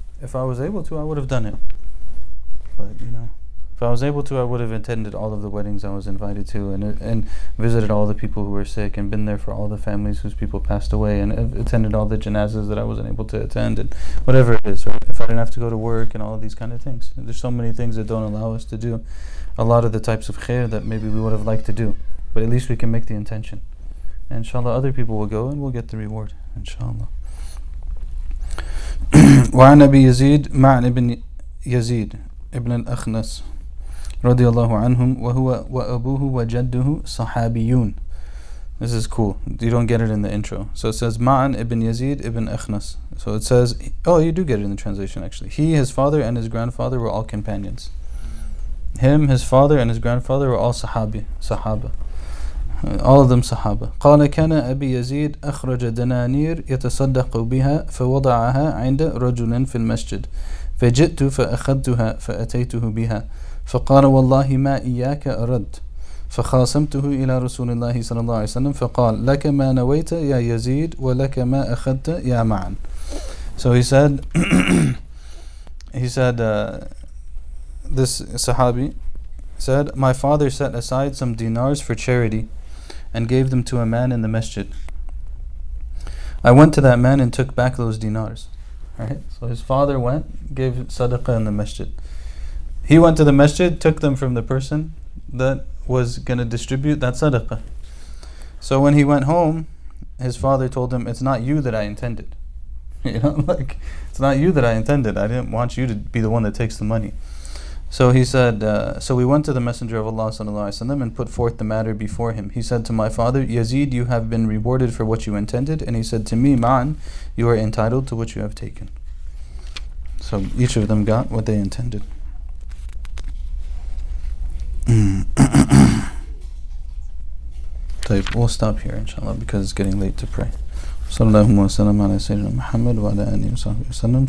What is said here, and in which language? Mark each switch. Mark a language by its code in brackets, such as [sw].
[en] If I was able to, I would have done it. But, you know, if I was able to, I would have attended all of the weddings I was invited to and visited all the people who were sick and been there for all the families whose people passed away and attended all the janazas that I wasn't able to attend and whatever it is. Right? If I didn't have to go to work and all of these kind of things. There's so many things that don't allow us to do a lot of the types of khair that maybe we would have liked to do. But at least we can make the intention. Inshallah, other people will go and we'll get the reward. Inshallah. [ar] وعن أبي يزيد معن بن يزيد ابن الأخنس رضي الله عنهم وهو وأبوه وجده صحابيون. [en] This is cool. You don't get it in the intro. So it says معن ابن يزيد ابن أخنس. So it says, oh, you do get it in the translation actually. He, his father, and his grandfather were all companions. Him, his father, and his grandfather were all صحابة. All of them Sahaba. [ar] قال كان أبي يزيد أخرج دنانير يتصدق بها فوضعها عند رجل في المسجد فجئت فأخذتها فأتيته بها فقال والله ما إياك أرد فخاصمته إلى رسول الله صلى الله عليه وسلم فقال لك ما نويت يا يزيد ولك ما أخذت يا معا. [en] So he said this Sahabi said, my father set aside some dinars for charity and gave them to a man in the masjid. I went to that man and took back those dinars. Right? So his father went, gave sadaqah in the masjid. He went to the masjid, took them from the person that was going to distribute that sadaqah. So when he went home, his father told him, it's not you that I intended. You know, like, it's not you that I intended. I didn't want you to be the one that takes the money. So he said, so we went to the Messenger of Allah sallallahu alaihi wasallam and put forth the matter before him. He said to my father, Yazid, you have been rewarded for what you intended. And he said to me, Ma'an, you are entitled to what you have taken. So each of them got what they intended. طيب, we'll stop here inshallah because it's getting late to pray. [ar] صلى الله وسلم على سيدنا محمد وعلى آله وصحبه وسلم.